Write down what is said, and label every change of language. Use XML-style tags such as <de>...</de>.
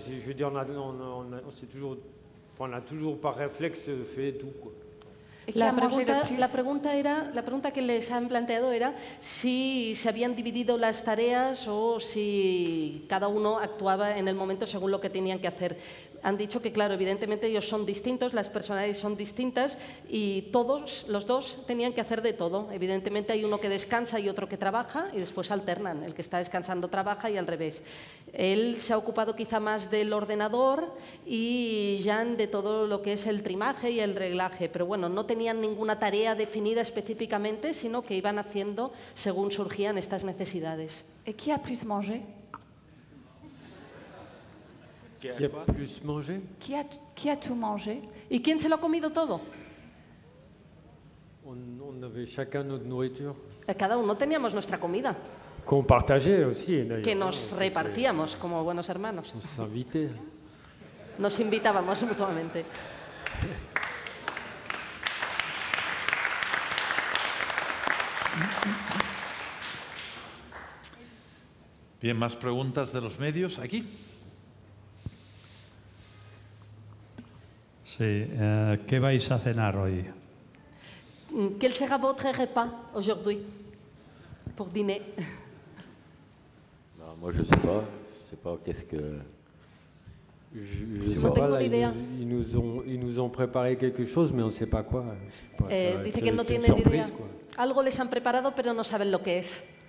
<fr>Je veux dire, on s'est toujours, enfin, on a toujours par réflexe fait tout, quoi.</fr> <es>La pregunta que les han planteado era si se habían dividido las tareas o si cada uno actuaba en el momento según lo que tenían que hacer. Han dicho que, claro, evidentemente ellos son distintos, las personalidades son distintas y todos, los dos, tenían que hacer de todo. Evidentemente hay uno que descansa y otro que trabaja y después alternan. El que está descansando trabaja y al revés. Él se ha ocupado quizá más del ordenador y Jean de todo lo que es el trimaje y el reglaje. Pero bueno, no tenían ninguna tarea definida específicamente, sino que iban haciendo según surgían estas necesidades.</es> <fr>¿Y qui a plus mangé? Qui a plus mangé? Qui a tout mangé?</fr> <es>Et quién se lo ha comido todo?</es> <fr>On avait chacun notre nourriture.</fr> <es>Cada uno teníamos nuestra comida.</es> <fr>Qu'on partageait aussi.</fr> <es>Que nos repartíamos como buenos hermanos.</es> <fr>On s'invitait.</fr> <es>Nos invitábamos mutuamente. Bien, más preguntas de los medios aquí. Sí, ¿qué vais a cenar hoy?</es> <fr>¿Quel sera votre repas aujourd'hui pour dîner? Non, moi je sais pas, qu'est-ce que je sais pas, là, ils nous ont préparé quelque chose mais on sait pas quoi.</fr> <es>Dice que no tienen idea. Algo les han preparado pero no saben lo que es.</es>